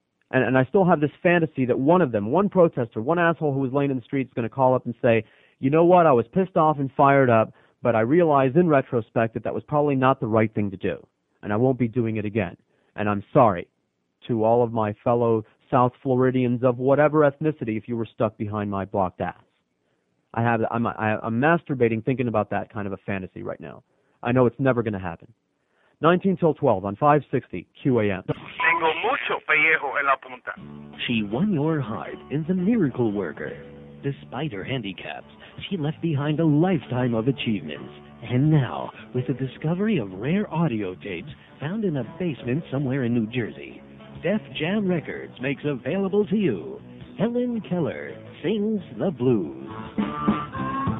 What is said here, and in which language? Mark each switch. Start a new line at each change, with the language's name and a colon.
English: And I still have this fantasy that one of them, one protester, one asshole who was laying in the street is going to call up and say, you know what, I was pissed off and fired up, but I realize in retrospect that that was probably not the right thing to do, and I won't be doing it again. And I'm sorry to all of my fellow South Floridians of whatever ethnicity if you were stuck behind my blocked ass. I'm masturbating thinking about that kind of a fantasy right now. I know it's never going to happen. 19 till 12 on 560 QAM.
Spanish: Tengo mucho pellejo en la punta.
English: She won your heart in The Miracle Worker. Despite her handicaps, she left behind a lifetime of achievements. And now, with the discovery of rare audio tapes found in a basement somewhere in New Jersey, Def Jam Records makes available to you Helen Keller Sings the Blues.